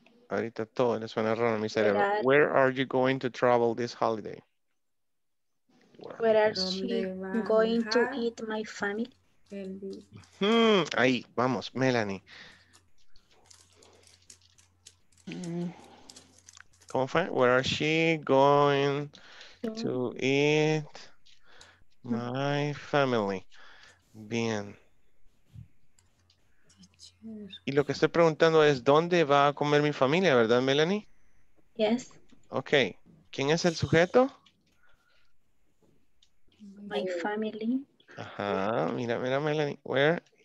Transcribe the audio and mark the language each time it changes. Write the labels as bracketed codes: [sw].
[es] ahorita todo le suena raro a mi cerebro. [en] Where are you going to travel this holiday? Where are you going to eat my family? [es] Ahí, vamos, Melanie. ¿Cómo fue? [en] Where are she going to eat my family? [es] Bien. Y lo que estoy preguntando es, ¿dónde va a comer mi familia, verdad, Melanie? [en] Yes. [es] Ok. ¿Quién es el sujeto? [en] My family. [es] Ajá. Mira, mira, Melanie. Where?